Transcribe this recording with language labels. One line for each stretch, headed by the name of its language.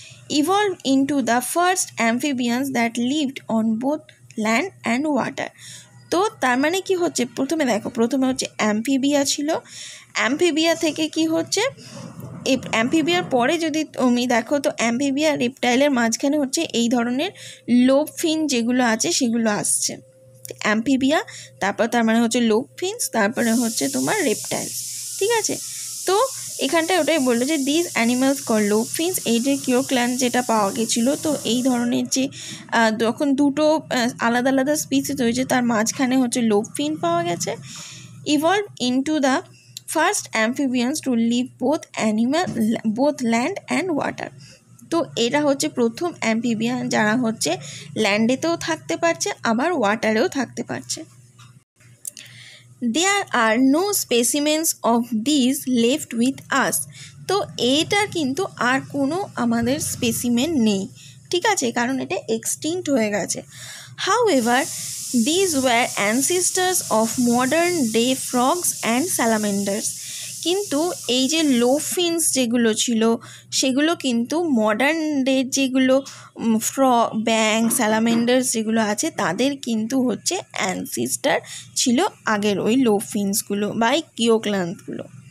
English: evolved into the first amphibians that lived on both land and water.
Bangla: তো তার মানে কি হচ্ছে, প্রথমে দেখো, প্রথমে হচ্ছে অ্যাম্ফিবিয়া ছিল, অ্যাম্ফিবিয়া থেকে কি হচ্ছে, অ্যাম্ফিবিয়ার পরে যদি তুমি দেখো তো অ্যাম্ফিবিয়া রেপটাইলের মাঝখানে হচ্ছে এই ধরনের লোব ফিন যেগুলো আছে সেগুলো আসছে, অ্যাম্ফিবিয়া, তারপর তার মানে হচ্ছে লোব ফিনস, তারপরে হচ্ছে তোমার রেপটাইল, ঠিক আছে। তো এখানটায় ওটাই বললো যে this animals call lobe fins, এই যে কিউর ক্ল্যান যেটা পাওয়া গেছিলো, তো এই ধরনের যে যখন দুটো আলাদা আলাদা স্পিসিস হয়েছে তার মাঝখানে হচ্ছে লোব ফিন পাওয়া গেছে।
English: Evolve into the first amphibians to live both animal both land and water.
Bangla: তো এরা হচ্ছে প্রথম অ্যাম্ফিবিয়ান যারা হচ্ছে ল্যান্ডেতেও থাকতে পারছে আবার ওয়াটারেও থাকতে পারছে।
English: There are no specimens of these left with us.
Bangla: তো এটার কিন্তু আর কোনো আমাদের স্পেসিমেন নেই, ঠিক আছে, কারণ এটা এক্সটিংক্ট হয়ে গেছে।
English: However, these were ancestors of modern day frogs and salamanders.
Bangla: কিন্তু এই যে লোফিনস যেগুলো ছিল সেগুলো কিন্তু মডার্ন ডে যেগুলো ফ্রগ, ব্যাঙ্ক, স্যালামেন্ডার্স যেগুলো আছে তাদের কিন্তু হচ্ছে অ্যানসিস্টার ছিল আগের ওই লোফিনসগুলো বা এই কিওক্ল্যান্সগুলো।